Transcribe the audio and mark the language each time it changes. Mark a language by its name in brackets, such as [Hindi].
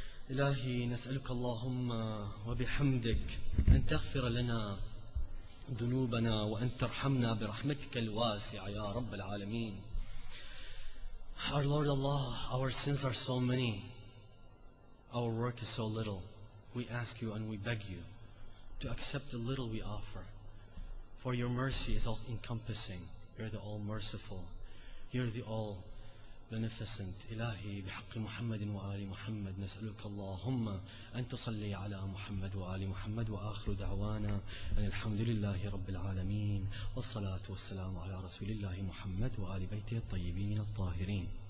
[Arabic] إلهي نسألك اللهم وبحمدك أن تغفر لنا ذنوبنا وأن ترحمنا برحمتك الواسعة يا رب العالمين. [English] Our Lord Allah, our sins are so many, our work is so little. We ask you and we beg you to accept the little we offer. For your mercy is all-encompassing. You're the all-merciful. You're the all-beneficent. [Arabic] إلهي بحق محمد وآل محمد نسألك اللهم أن تصلي على محمد وآل محمد وآخر دعوانا أن الحمد لله رب العالمين والصلاة والسلام على رسول الله محمد وآل بيته الطيبين الطاهرين.